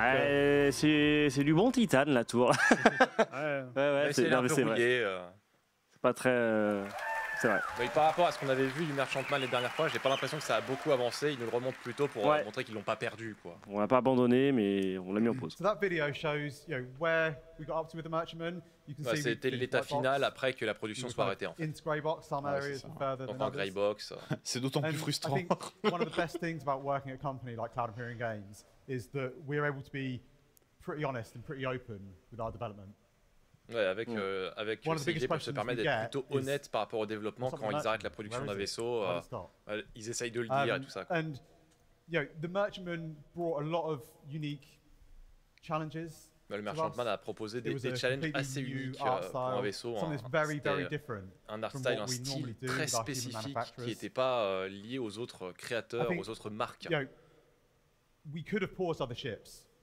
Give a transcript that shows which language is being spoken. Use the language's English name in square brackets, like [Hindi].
[French] Ouais, c'est du bon titane, la tour. C'est pas très. C'est vrai. Mais par rapport à ce qu'on avait vu du Merchantman les dernières fois, j'ai pas l'impression que ça a beaucoup avancé. Ils nous le remontent plutôt pour montrer qu'ils l'ont pas perdu, quoi. On l'a pas abandonné, mais on l'a mis en pause. [English] So that video shows, you know, where we got up to with the Merchantman. [French] C'était l'état final après que la production soit arrêtée. [English] In Greybox, some areas further than others. Greybox. [French] C'est d'autant plus frustrant. [English] One of the best things about working at a company like Cloud Imperium Games is that we're able to be pretty honest and pretty open with our development. [French] Ouais, avec avec CIG, ils peuvent se permettre d'être plutôt honnêtes par rapport au développement quand ils arrêtent la production d'un vaisseau. Ils essayent de le dire et tout ça. [English] And you know, the Merchantman brought a lot of unique challenges. [French] Le Merchantman a proposé des challenges assez uniques pour un vaisseau, un art style, un style très spécifique qui n'était pas lié aux autres créateurs, aux autres marques. [English] You know, we could have paused other ships.